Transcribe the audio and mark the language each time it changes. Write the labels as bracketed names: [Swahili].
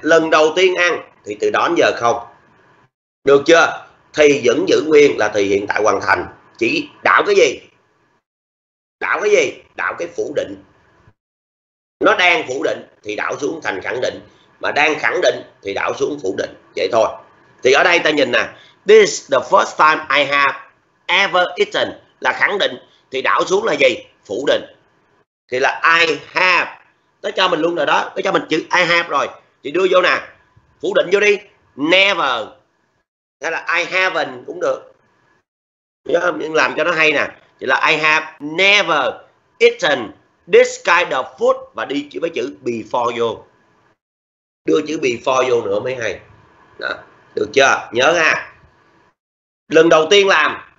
[Vietnamese] Lần đầu tiên ăn thì từ đó đến giờ không, được chưa? Thì vẫn giữ nguyên là thì hiện tại hoàn thành, chỉ đảo cái gì? Đảo cái gì? Đảo cái phủ định. Nó đang phủ định thì đảo xuống thành khẳng định. Mà đang khẳng định thì đảo xuống phủ định. Vậy thôi. Thì ở đây ta nhìn nè. [English] This is the first time I have ever eaten. [Vietnamese] Là khẳng định. Thì đảo xuống là gì? Phủ định. Thì là [English] I have. [Vietnamese] Nó cho mình luôn rồi đó. Nó cho mình chữ I have rồi. Thì đưa vô nè. Phủ định vô đi. Never. Hay là [English] I haven't [Vietnamese] cũng được. Nhưng làm cho nó hay nè. Thì là [English] I have never eaten this kind of food. [Vietnamese] Và đi với chữ before vô. Đưa chữ before vô nữa mới hay. Đó. Được chưa? Nhớ nha. Lần đầu tiên làm.